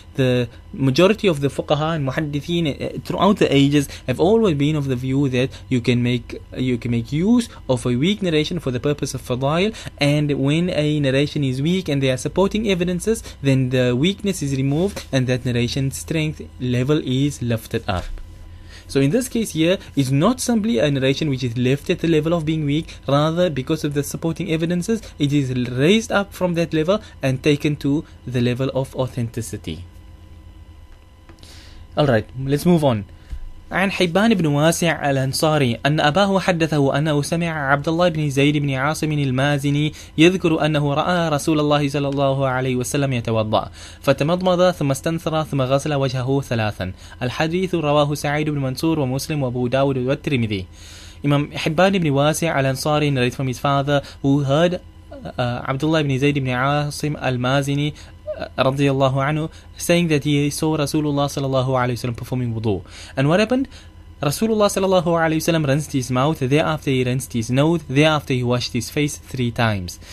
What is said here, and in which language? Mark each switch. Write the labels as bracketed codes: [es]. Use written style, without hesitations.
[en] The majority of the fuqaha and muhaddithin throughout the ages have always been of the view that you can make use of a weak narration for the purpose of fadail, and when a narration is weak and there are supporting evidences, then the weakness is removed and that narration strength level is lifted up. So in this case here, it's not simply a narration which is left at the level of being weak, rather because of the supporting evidences, it is raised up from that level and taken to the level of authenticity. Alright, let's move on. [ar] عن حبان بن واسع الأنصاري أن أباه حدثه أنه سمع عبد الله بن زيد بن عاصم المازني يذكر أنه رأى رسول الله صلى الله عليه وسلم يتوضأ فتمضمض ثم استنثر ثم غسل وجهه ثلاثا. الحديث رواه سعيد بن منصور ومسلم وأبو داود والترمذي. [en] إمام حبان بن واسع الأنصاري narrated from his father who heard عبد الله بن زيد بن عاصم المازني رضي الله عنه saying that he saw Rasulullah sallallahu alayhi wa sallam performing wudu. And what happened? Rasulullah sallallahu alayhi wa sallam rinsed his mouth, thereafter he rinsed his nose, thereafter he washed his face three times.